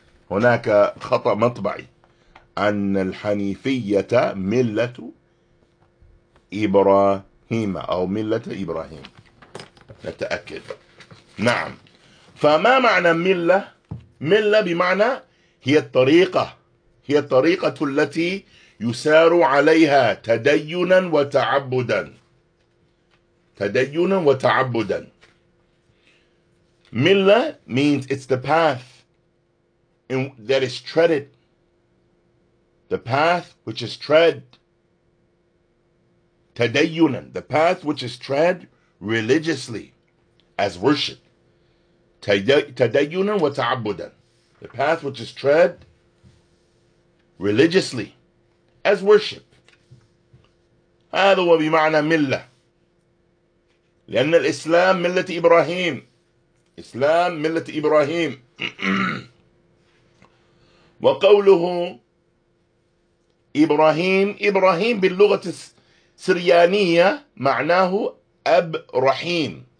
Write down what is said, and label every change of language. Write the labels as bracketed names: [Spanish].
[Arabic] هناك خطأ مطبعي. أن الحنيفية ملة إبراهيم أو ملة إبراهيم. نتأكد. نعم. فما معنى ملة؟ ملة بمعنى هي الطريقة. هي الطريقة التي يسار عليها تدينا وتعبدا. تدينا وتعبدا. [English] ملة means it's the path that is treaded. The path which is tread. تَدَيُّنًا, the path which is tread religiously as worship. [Arabic] تَدَيُّنًا وَتَعَبُّدًا, [English] the path which is tread religiously as worship. [Arabic] هذا هو بمعنى ملة. لأن الإسلام ملة إبراهيم. إسلام ملة إبراهيم. وقوله إبراهيم, إبراهيم باللغة سريانية معناه أب رحيم.